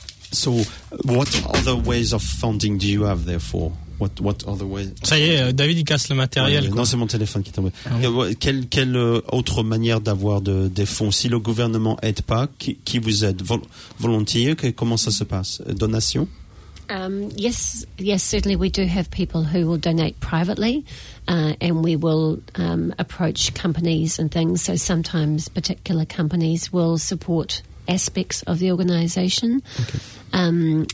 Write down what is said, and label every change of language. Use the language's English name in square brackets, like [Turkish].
[English] So, what other ways of funding do you have, therefore? What other ways? [French] Ça y est, David, il casse le matériel. Non, c'est mon téléphone qui est tombé. Quelle autre manière d'avoir des fonds? Si le gouvernement n'aide pas, qui vous aide? Volontiers, comment ça se passe? Donation? [English] Yes, certainly we do have people who will donate privately, and we will approach companies and things. So sometimes particular companies will support aspects of the organisation. Okay.